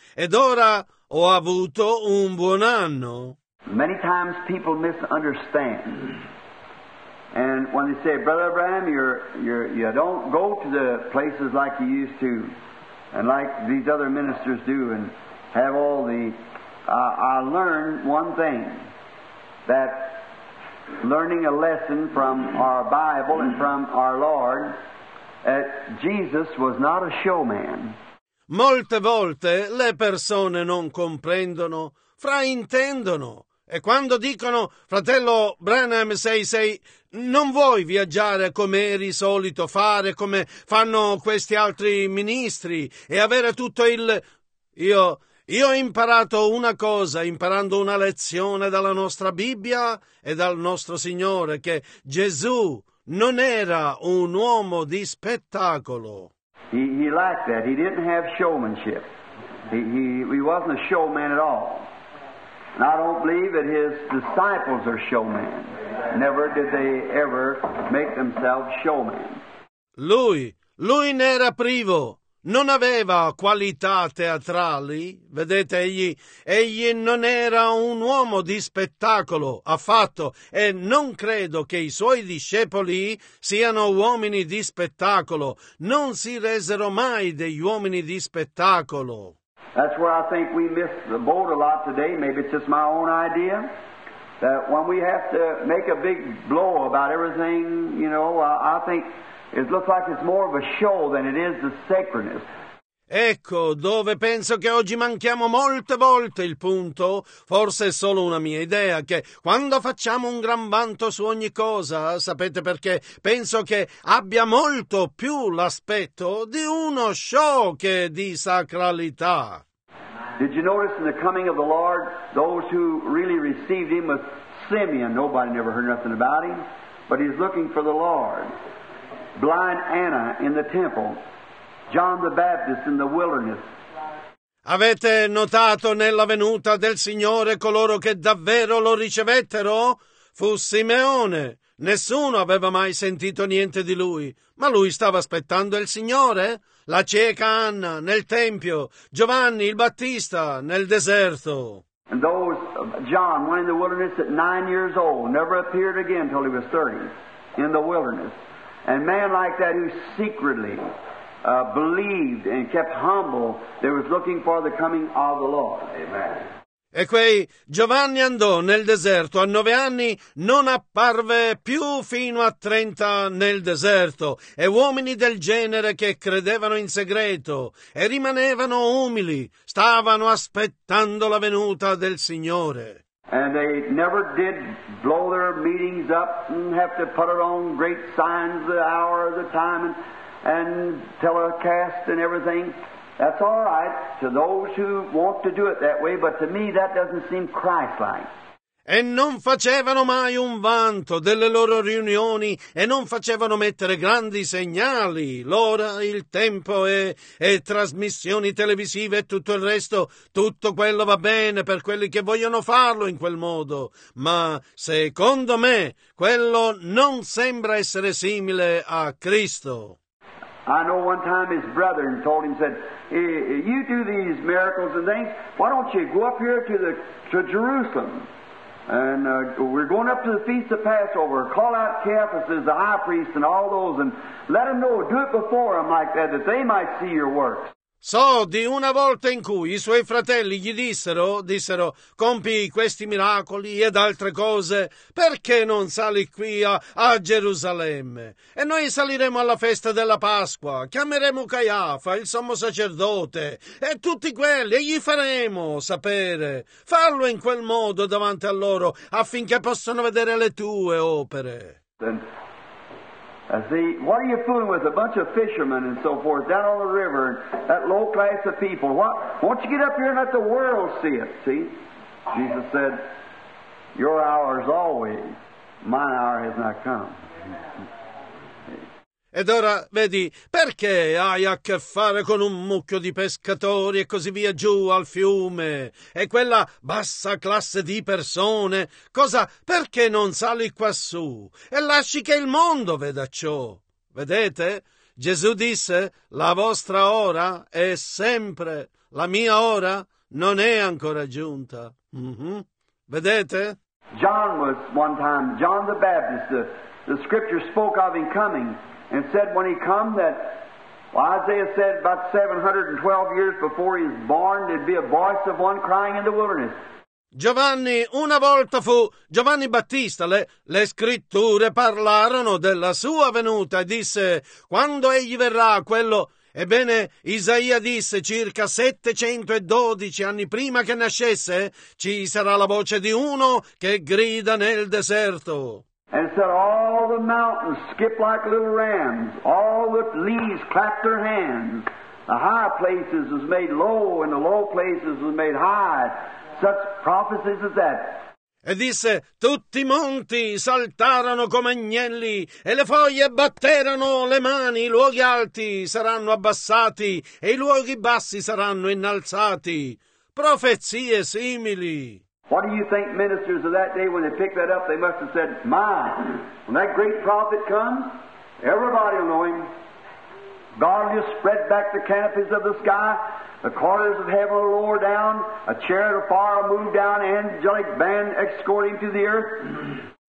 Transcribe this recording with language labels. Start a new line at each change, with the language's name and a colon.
Italian: Ed ora ho avuto un buon anno.
English: Many times people misunderstand. And when they say, Brother Abraham, you don't go to the places like you used to, and like these other ministers do, and have all the... I learned one thing, that learning a lesson from our Bible and from our Lord, that Jesus was not a showman.
Italian: Molte volte le persone non comprendono, fraintendono. E quando dicono, fratello Branham, sei, non vuoi viaggiare come eri solito fare, come fanno questi altri ministri, e avere tutto il... Io ho imparato una cosa, imparando una lezione dalla nostra Bibbia e dal nostro Signore, che Gesù non era un uomo di spettacolo.
English: He liked that. He didn't have showmanship. He wasn't a showman at all. And I don't believe that his disciples are showmen. Never did they ever make themselves showmen.
Italian: Lui ne era privo. Non aveva qualità teatrali. Vedete, egli non era un uomo di spettacolo affatto. E non credo che i suoi discepoli siano uomini di spettacolo. Non si resero mai degli uomini di spettacolo.
English: That's where I think we miss the boat a lot today. Maybe it's just my own idea. That when we have to make a big blow about everything, you know, I think it looks like it's more of a show than it is the sacredness.
Italian: Ecco dove penso che oggi manchiamo molte volte il punto, forse è solo una mia idea, che quando facciamo un gran vanto su ogni cosa, sapete perché, penso che abbia molto più l'aspetto di uno show che di sacralità.
English: Did you notice in the coming of the Lord, those who really received him was Simeon, nobody never heard nothing about him, but he's looking for the Lord. Blind Anna in the temple, John the Baptist in the wilderness.
Italian: Avete notato nella venuta del Signore coloro che davvero lo ricevettero? Fu Simeone. Nessuno aveva mai sentito niente di lui, ma lui stava aspettando il Signore. La cieca Anna nel tempio, Giovanni il Battista nel deserto.
English: And those, John, one in the wilderness at 9 years old, never appeared again till he was 30, in the wilderness. And man like that who secretly believed and kept humble, they was looking for the coming of the Lord. Amen.
Italian: E quei Giovanni andò nel deserto, a 9 anni non apparve più fino a 30 nel deserto, e uomini del genere che credevano in segreto e rimanevano umili, stavano aspettando la venuta del Signore.
English: And they never did blow their meetings up and have to put it on great signs the hour of the time and telecast and everything. That's all right to those who want to do it that way, but to me that doesn't seem Christ-like.
Italian: E non facevano mai un vanto delle loro riunioni e non facevano mettere grandi segnali. L'ora, il tempo e trasmissioni televisive e tutto il resto, tutto quello va bene per quelli che vogliono farlo in quel modo. Ma secondo me quello non sembra essere simile a Cristo.
English: I know one time his brethren told him, said, you do these miracles and things, why don't you go up here to Jerusalem? And we're going up to the Feast of Passover, call out Caiaphas as the high priest and all those, and let them know, do it before them like that, that they might see your works.
Italian: So di una volta in cui i suoi fratelli gli dissero, compi questi miracoli ed altre cose, perché non sali qui a Gerusalemme? E noi saliremo alla festa della Pasqua, chiameremo Caiafa, il sommo sacerdote, e tutti quelli, e gli faremo sapere. Fallo in quel modo davanti a loro, affinché possano vedere le tue opere.
English: What are you fooling with a bunch of fishermen and so forth down on the river, that low class of people? Why don't you get up here and let the world see it? See, Jesus said, your hour is always, my hour has not come.
Italian: Ed ora, vedi, perché hai a che fare con un mucchio di pescatori e così via giù al fiume? E quella bassa classe di persone? Cosa, perché non sali quassù e lasci che il mondo veda ciò? Vedete? Gesù disse, la vostra ora è sempre, la mia ora non è ancora giunta. Vedete?
English: John was one time, John the Baptist, the scripture spoke of him coming. And said when he come that, well, Isaiah said about 712 years before he was born, there'd be a voice of one crying in the wilderness.
Italian: Giovanni, una volta fu Giovanni Battista, le scritture parlarono della sua venuta e disse, quando egli verrà, quello... Ebbene, Isaia disse circa 712 anni prima che nascesse, ci sarà la voce di uno che grida nel deserto.
English: And said, all the mountains skip like little rams, all the leaves clap their hands, the high places was made low, and the low places was made high. Such prophecies as that.
Italian: E disse, tutti i monti saltarono come agnelli, e le foglie batterono le mani, i luoghi alti saranno abbassati, e i luoghi bassi saranno innalzati. Profezie simili.
English: What do you think ministers of that day, when they picked that up, they must have said, my, when that great prophet comes, everybody will know him. God will just spread back the canopies of the sky, the corners of heaven will lower down, a chariot of fire will move down, angelic band escorting to the earth.